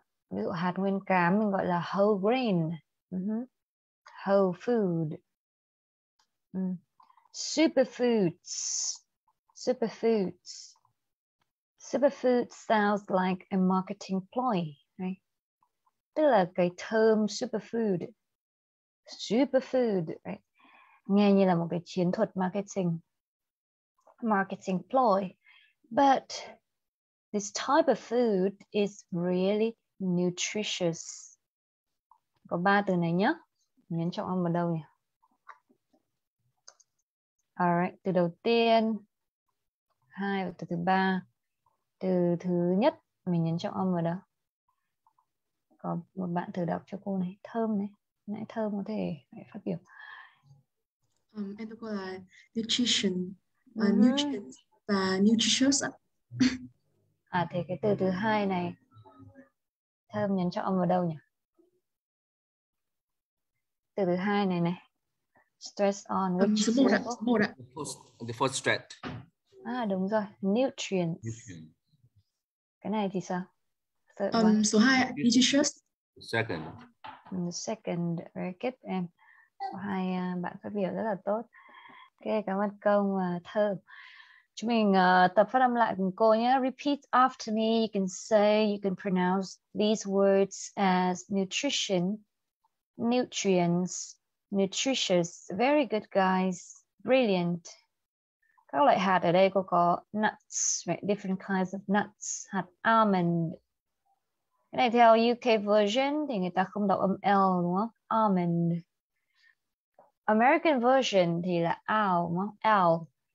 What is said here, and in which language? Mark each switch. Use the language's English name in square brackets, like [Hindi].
[Vietnamese] Ví dụ hạt nguyên cám mình gọi là whole grain, whole food, superfoods, superfoods. [English] Superfood sounds like a marketing ploy, right? [Vietnamese] Tức là cái term superfood, superfood, right? Nghe như là một cái chiến thuật marketing, marketing ploy. [English] But this type of food is really nutritious. [Vietnamese] Có ba từ này nhé. Nhấn trọng âm vào đâu nhỉ? Alright, từ đầu tiên, hai và từ thứ ba. Từ thứ nhất mình nhấn trọng âm vào đâu? Có một bạn thử đọc cho cô này, thơm này, nãy thơm có thể phải phát biểu. Em tôi gọi là nutrition và nutrients và nutritious ạ. À thế cái từ thứ hai này thơm nhấn trọng âm vào đâu nhỉ? Từ thứ hai này này, [English] stress on, [Vietnamese] số một ạ, số một ạ. [English] The first stress. [Vietnamese] À đúng rồi, nutrients. Cái này thì sao? Số 2 ạ, nutritious. [English] Second. Second, very good em. [Vietnamese] Hai bạn phát biểu rất là tốt. Ok, cảm ơn công và thơm. Chúng mình tập phát âm lại cùng cô nhé. [English] Repeat after me, you can say, you can pronounce these words as nutrition, nutrients, nutritious. Very good guys, brilliant. [Vietnamese] Các loại hạt ở đây cô có nuts, right? [English] Different kinds of nuts, [Vietnamese] hạt almond. Cái này theo UK version thì người ta không đọc âm L đúng không? [English] Almond. American version [Vietnamese] thì là [English] owl, owl.